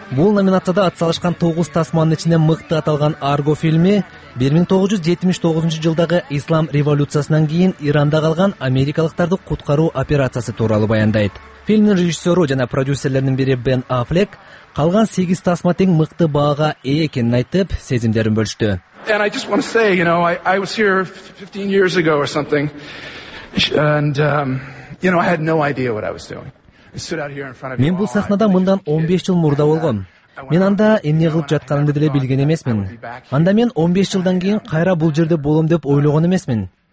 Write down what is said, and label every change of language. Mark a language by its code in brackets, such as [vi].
[ky] Бул номинацияда атсалышкан 9 тасманын ичинен мыкты аталган Арго фильми 1979 жылдагы Ислам революциясынан кийин Иранда калган америкалыктарды куткаруу операциясы тууралуу баяндайт. Фильмдин режиссеру жана продюсерлеринин бири Бен Аффлек калган 8 тасма тең мыкты баага ээ экенин айтып, сезимдерин бөлүштү. [en] And I just want to say, you know, I was here 15 years ago or something, and you know, I had no idea what I was doing. I stood out here in front of you. [ky] Мен бул сахнада мындан 15 жыл мурда болгом. Мен анда эмне кылып жатканымды деле билген эмесмин. Анда мен 15 жылдан кийин кайра бул жерде болом деп ойлогон эмесмин.